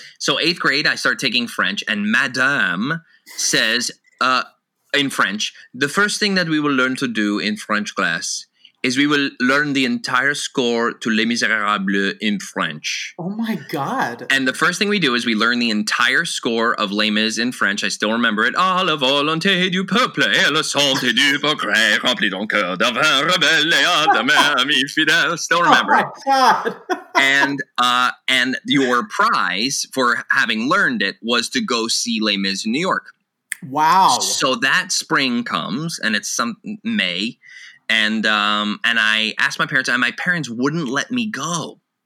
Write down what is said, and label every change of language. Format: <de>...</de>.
<en>So 8th grade, I start taking French, and Madame says, in French, the first thing that we will learn to do in French class is we will learn the entire score to Les Misérables in French. Oh, my God. And the first thing we do is we learn the entire score of Les Mis in French. I still remember it.</en> <fr>A la volonté du peuple et la santé du progrès, rempli d'un cœur d'un vin rebelle et à de même infidèle.</fr> <en>Still remember it. Oh, my God. and your prize for having learned it was to go see Les Mis in New York. Wow. So that spring comes, and it's some May. And I asked my parents, and my parents wouldn't let me go.</en>